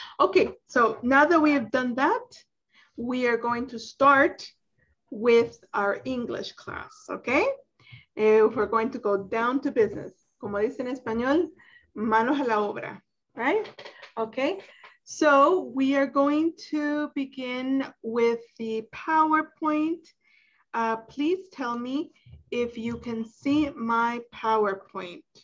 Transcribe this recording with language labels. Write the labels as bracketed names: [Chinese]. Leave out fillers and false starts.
[English] Ok, so now that we have done that, we are going to start with our English class, ok? We're going to go down to business. [Spanish] Como dice en español, manos a la obra, [English] right? Okay, so we are going to begin with the PowerPoint. Please tell me if you can see my PowerPoint.